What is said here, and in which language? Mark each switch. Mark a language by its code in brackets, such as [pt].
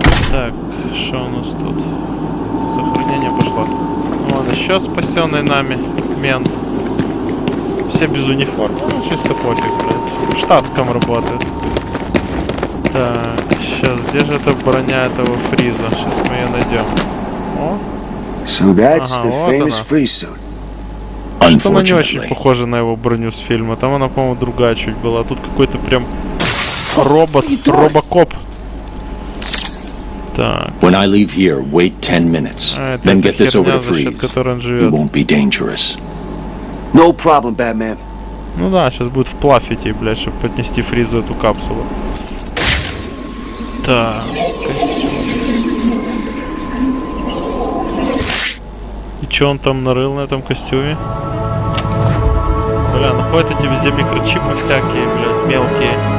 [ru] Так, что у нас тут? Сохранение пошло. Вот еще спасенный нами мент. Все без униформы, ну чисто пофиг, блядь. В штатском работает. Так, сейчас, где же эта броня этого Фриза? Сейчас мы ее найдем. О! [en] So that's ага, the вот famous Freeze suit. [ru] Что она не очень похожа на его броню с фильма. Там она, по-моему, другая чуть была. Тут какой-то прям робот, робокоп. Так. [en] When I leave here, wait 10 minutes. Then get this over to Freeze. You won't be dangerous. No problem, Batman. [ru] Ну да, сейчас будет вплафить ей, блядь, чтобы поднести Фризу эту капсулу. Так. И чё он там нарыл на этом костюме? Бля, находят эти везде микрочипы всякие, блядь, мелкие.